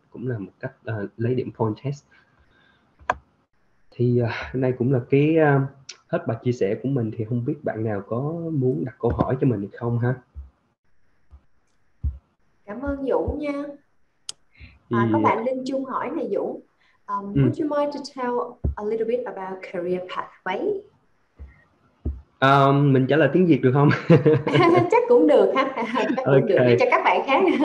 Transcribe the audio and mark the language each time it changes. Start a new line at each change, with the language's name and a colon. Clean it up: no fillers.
Vietnamese: Cũng là một cách lấy điểm point test. Thì đây cũng là cái... hết bài chia sẻ của mình, thì không biết bạn nào có muốn đặt câu hỏi cho mình hay không ha. Cảm ơn Vũ nha. Có bạn Linh Trung hỏi này Vũ.
English: Would you mind to tell a little bit about career pathway?
Vietnamese: Mình trả lời tiếng Việt được không? Chắc cũng được ha. Chắc cũng được cho các bạn khác.